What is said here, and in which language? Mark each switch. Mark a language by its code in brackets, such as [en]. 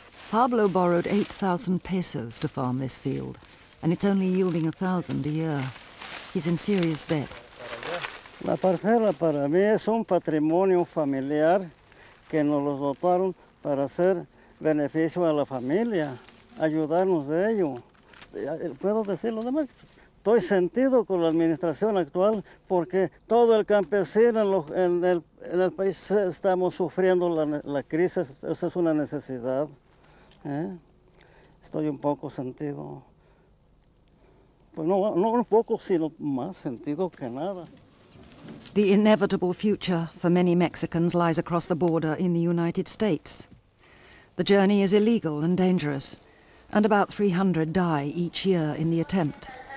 [en] Pablo borrowed 8,000 pesos to farm this field, and it's only yielding 1,000 a year. He's in serious debt. [es] La parcela para mí es un patrimonio familiar que nos los dotaron para hacer beneficio a la familia, ayudarnos de ello. Puedo decir lo demás. Estoy sentido con la administración actual porque todo el campesino en el país estamos sufriendo la crisis. Esa es una necesidad. Estoy un poco sentido. Pues no un poco, sino más sentido que nada. [en] The inevitable future for many Mexicans lies across the border in the United States. The journey is illegal and dangerous, and about 300 die each year in the attempt.